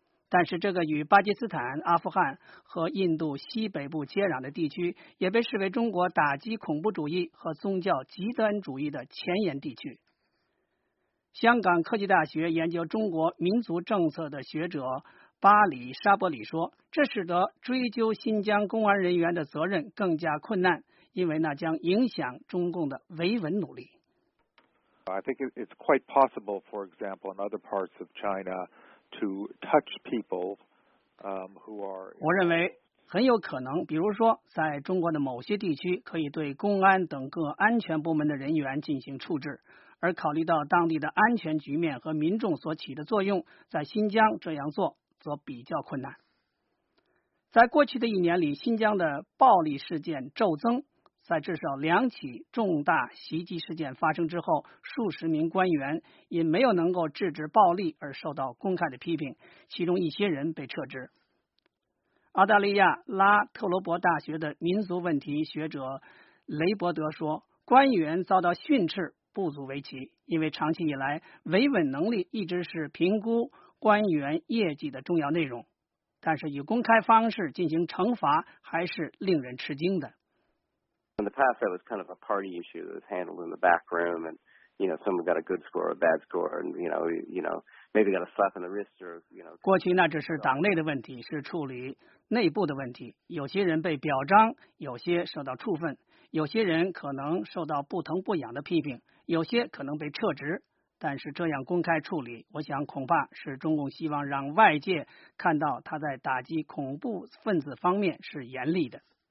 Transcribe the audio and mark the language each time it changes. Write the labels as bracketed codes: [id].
[zh] 但是这个与巴基斯坦、阿富汗和印度西北部接壤的地区也被视为中国打击恐怖主义和宗教极端主义的前沿地区。香港科技大学研究中国民族政策的学者巴里沙伯里说，这使得追究新疆公安人员的责任更加困难，因为那将影响中共的维稳努力。 [en] I think it's quite possible, for example, in other parts of China,To touch people, who are. [zh] 我认为很有可能，比如说，在中国的某些地区，可以对公安等各安全部门的人员进行处置。而考虑到当地的安全局面和民众所起的作用，在新疆这样做则比较困难。在过去的一年里，新疆的暴力事件骤增，在至少2起重大袭击事件发生之后，数十名官员因没有能够制止暴力而受到公开的批评，其中一些人被撤职。澳大利亚拉特罗伯大学的民族问题学者雷伯德说，官员遭到训斥不足为奇，因为长期以来维稳能力一直是评估官员业绩的重要内容，但是以公开方式进行惩罚还是令人吃惊的。 [en] In the past, that was kind of a party issue that was handled in the back room, and you know, someone got a good score or a bad score, and you know, maybe got a slap on the wrist or you know. [zh] 过去那只是党内的问题，是处理内部的问题。有些人被表彰，有些受到处分，有些人可能受到不疼不痒的批评，有些可能被撤职。但是这样公开处理，我想恐怕是中共希望让外界看到他在打击恐怖分子方面是严厉的。